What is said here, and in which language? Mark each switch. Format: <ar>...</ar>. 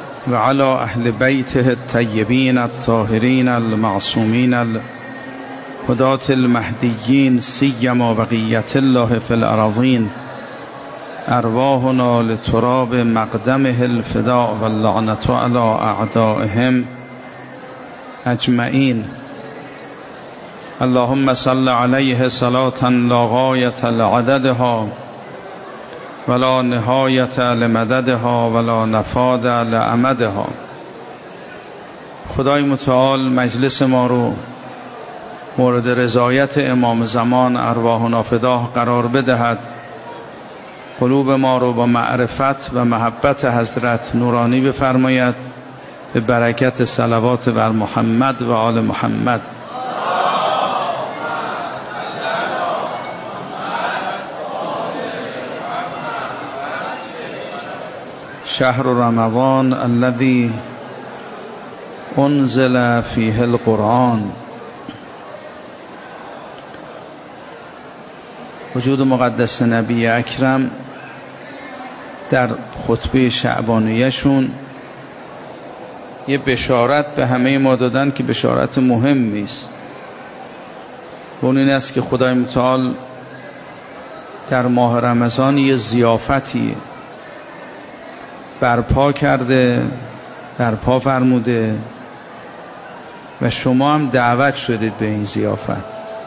<ar>وعلى أهل بيته الطيبين الطاهرين المعصومين الهداة المهديين، سيما بقية الله في الأراضين، أرواحنا لتراب مقدمه الفداء، واللعنة على أعدائهم أجمعين. اللهم صل عليه صلاة لا غاية لعددها ولا نهاية لمددها ولا نفاد لأمدها.</ar> <fa>خدای متعال مجلس ما رو مورد رضایت امام زمان</fa> <ar>ارواح نافدا</ar> <fa>قرار بدهد، قلوب ما رو با معرفت و محبت حضرت نورانی بفرماید، به برکت صلوات بر محمد و آل محمد.</fa> <ar>شهر رمضان الذي انزل فيه القرآن.</ar> <fa>وجود مقدس نبی اکرم در خطبه شعبانیشون یه بشارت به همه ما دادن که بشارت مهمی است. اون این است که خدای متعال در ماه رمضان یه ضیافتیه برپا کرده، برپا فرموده، و شما هم دعوت شدید به این ضیافت.</fa>